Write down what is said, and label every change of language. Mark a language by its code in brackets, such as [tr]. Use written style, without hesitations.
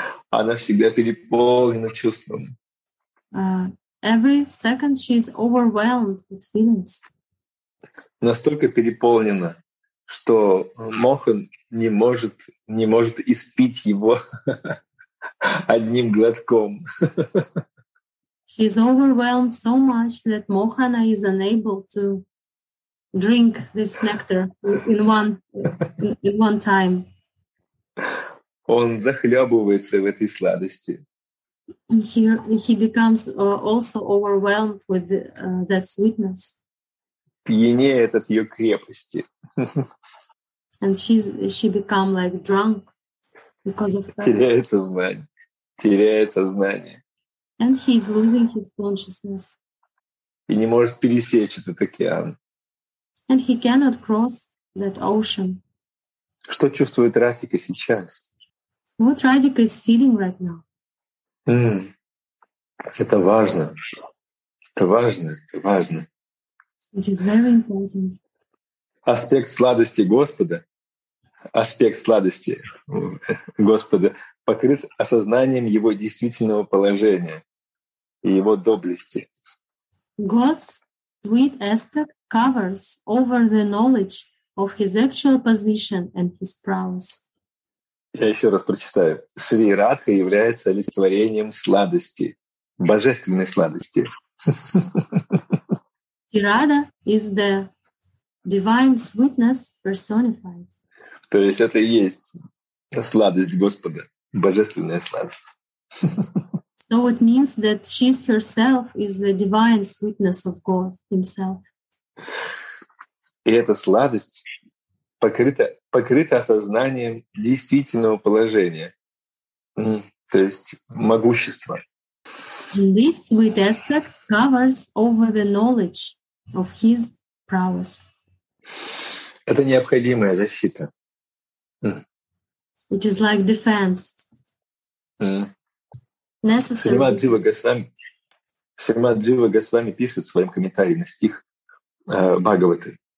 [ru] Она всегда переполнена чувством. [en] Every second she's overwhelmed with feelings. [ru] Настолько переполнена, что мохан не может испить его. Одним глотком. [en] She is overwhelmed so much that Mohana is unable to drink this nectar in one time. [ru] Он захлебывается в этой сладости. [en] He becomes also overwhelmed with that sweetness. [ru] Пьянеет от ее крепости. [en] And she become like drunk because of that. [ru] Теряет сознание. Теряет сознание. [en] And he is losing his consciousness. [ru] И не может пересечь этот океан. [en] And he cannot cross that ocean. [ru] Что чувствует Радхика сейчас? [en] What Radhika is feeling right now? [ru] Это важно. Это важно. [en] It is very important. [ru] Аспект сладости Господа. Аспект сладости Господа покрыт осознанием его действительного положения и его доблести. [en] God's sweet aspect covers over the knowledge of his actual position and his prowess. [ru] Я еще раз прочитаю. Шри Радха является олицетворением сладости, божественной сладости. [en] Шри Радха is the divine sweetness personified. [ru] То есть это и есть сладость Господа, божественная сладость. [en] So it means that she herself is the divine sweetness of God himself. [ru] И эта сладость покрыта осознанием действительного положения, то есть могущества. [en] This sweet aspect covers over the knowledge of his prowess. [ru] Это необходимая защита. [en] It is like defense. Necessary. [ru] Шримад Джива Госвами пишет в своем комментарии на стих Бхагаваты.